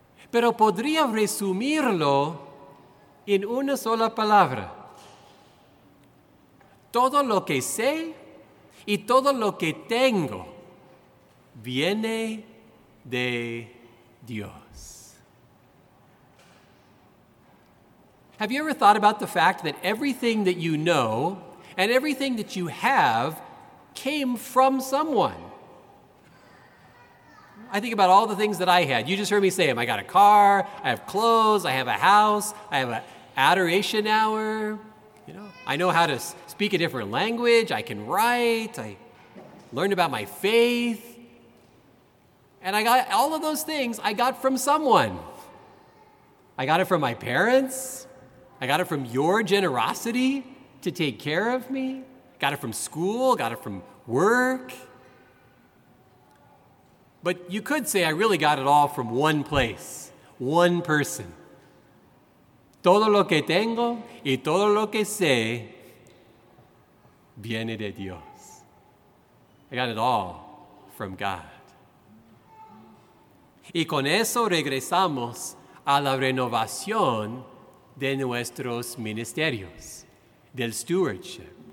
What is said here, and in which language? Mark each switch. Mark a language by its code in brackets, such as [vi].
[es] Pero podría resumirlo en una sola palabra. Todo lo que sé y todo lo que tengo viene de Dios. [en] Have you ever thought about the fact that everything that you know and everything that you have came from someone? I think about all the things that I had. You just heard me say them. I got a car, I have clothes, I have a house, I have an adoration hour. You know, I know how to speak a different language, I can write, I learned about my faith. And I got all of those things I got from someone. I got it from my parents. I got it from your generosity to take care of me. Got it from school, got it from work. But you could say, I really got it all from one place, one person. [es] Todo lo que tengo y todo lo que sé viene de Dios. [en] I got it all from God. [es] Y con eso regresamos a la renovación de nuestros ministerios, del stewardship.